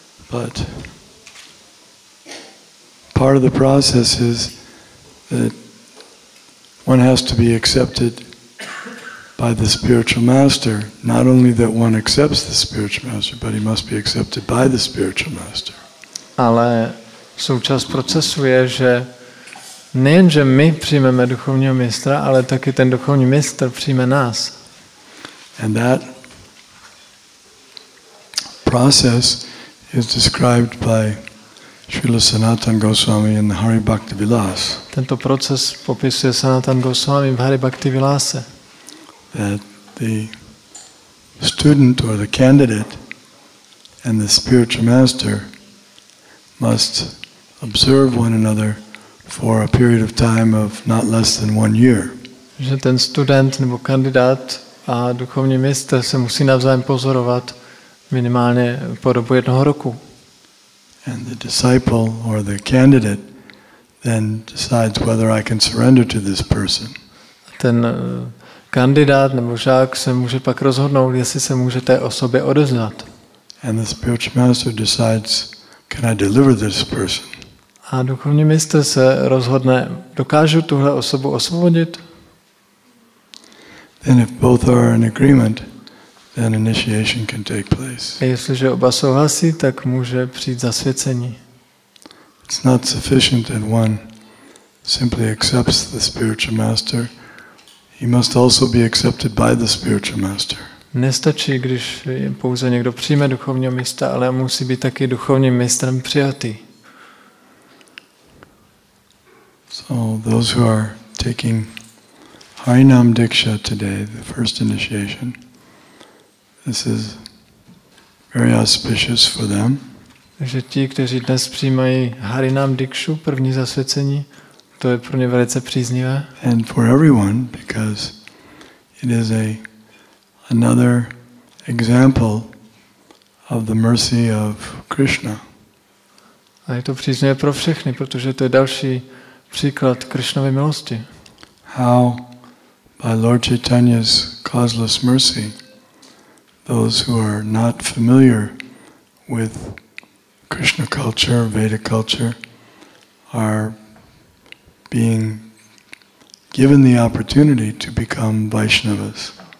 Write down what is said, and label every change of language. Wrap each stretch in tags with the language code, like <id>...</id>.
<en>But part of the process is that one has to be accepted by the spiritual master, not only that one accepts the spiritual master, but he must be accepted by the spiritual master.</en> <cs>Ale součást procesu je, že nejenže my přijmeme duchovního mistra, ale taky ten duchovní mistr přijme nás.</cs> <en>And that process is described by Srila Sanatana Goswami in the Hari Bhakti Vilas.</en> <cs>Tento proces popisuje Sanatana Goswami v Hari Bhakti Vilase.</cs> <en>That the student or the candidate and the spiritual master must observe one another for a period of time of not less than 1 year.</en> <cs>Že ten student nebo kandidát a duchovní mistr se musí navzájem pozorovat minimálně po dobu jednoho roku.</cs> <en>And the disciple or the candidate then decides whether I can surrender to this person.</en> <cs>Ten kandidát nebo žák se může pak rozhodnout, jestli se může té osobě odezvat.</cs> <en>And the spiritual master decides, can I deliver this person?</en> <cs>A duchovní mistr se rozhodne, dokážu tuhle osobu osvobodit?</cs> <en>Then if both are in agreement, then initiation can take place.</en> <cs>A jestliže oba souhlasí, tak může přijít zasvěcení.</cs> <en>It's not sufficient that one simply accepts the spiritual master. He must also be accepted by the spiritual master.</en> <cs>Nestačí, když pouze někdo přijme duchovního mistra, ale musí být taky duchovním mistrem přijatý.</cs> <en>So those who are taking Harinam Diksha today, the first initiation, this is very auspicious for them.</en> <cs>Takže ti, kteří dnes přijímají Harinam Dikšu, první zasvěcení, to je pro ně velice příznivé.</cs> <en>And for everyone, because it is another example of the mercy of Krishna.</en> <cs>A je to příznivé pro všechny, protože to je další příklad Krishnovy milosti.</cs> <en>How by Lord Chaitanya's causeless mercy, those who are not familiar with Krishna culture, Vedic culture, are being given the opportunity to become Vaishnavas.</en>